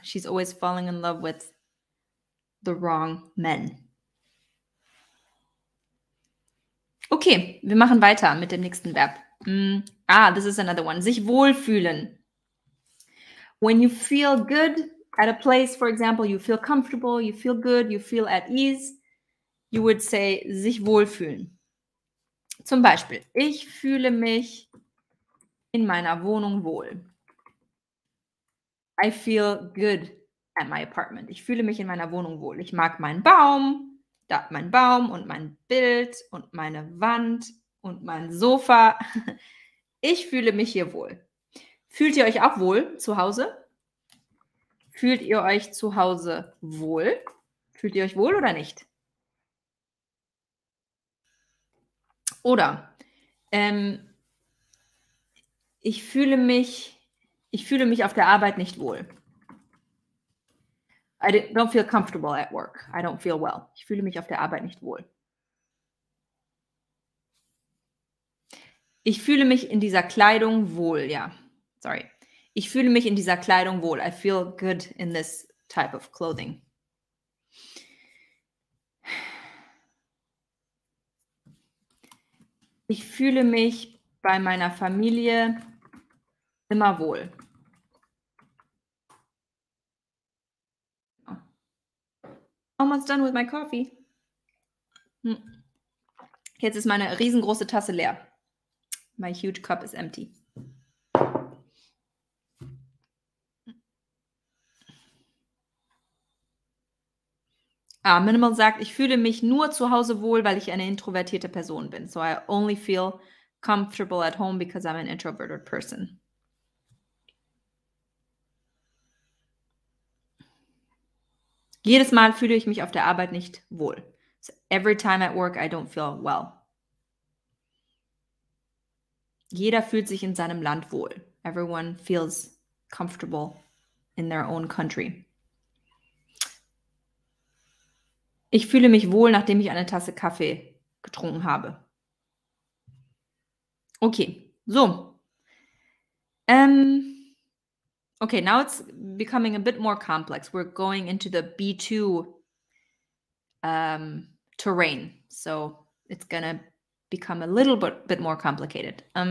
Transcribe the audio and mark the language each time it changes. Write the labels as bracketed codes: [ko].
[en] She's always falling in love with the wrong men. [de] Okay, wir machen weiter mit dem nächsten Verb. [en] This is another one. Sich wohlfühlen. When you feel good at a place, for example, you feel comfortable, you feel good, you feel at ease, you would say, sich wohlfühlen. [de] Zum Beispiel, ich fühle mich in meiner Wohnung wohl. [en] I feel good at my apartment. [de] Ich fühle mich in meiner Wohnung wohl. Ich mag meinen Baum, da mein Baum und mein Bild und meine Wand und mein Sofa. Ich fühle mich hier wohl. Fühlt ihr euch auch wohl zu Hause? Fühlt ihr euch zu Hause wohl? Fühlt ihr euch wohl oder nicht? Oder ich fühle mich auf der Arbeit nicht wohl. [en] I don't feel comfortable at work. I don't feel well. [de] Ich fühle mich auf der Arbeit nicht wohl. Ich fühle mich in dieser Kleidung wohl, ja. Sorry. Ich fühle mich in dieser Kleidung wohl. [en] I feel good in this type of clothing. [de] Ich fühle mich bei meiner Familie immer wohl. [en] Almost done with my coffee. [de] Jetzt ist meine riesengroße Tasse leer. [en] My huge cup is empty. [de] Minimal sagt, ich fühle mich nur zu Hause wohl, weil ich eine introvertierte Person bin. [en] So I only feel comfortable at home because I'm an introverted person. [de] Jedes Mal fühle ich mich auf der Arbeit nicht wohl. [en] So every time at work I don't feel well. [de] Jeder fühlt sich in seinem Land wohl. [en] Everyone feels comfortable in their own country. [de] Ich fühle mich wohl, nachdem ich eine Tasse Kaffee getrunken habe. [en] Okay, so. Okay, now it's becoming a bit more complex. We're going into the B2 terrain. So it's gonna become a little bit more complicated.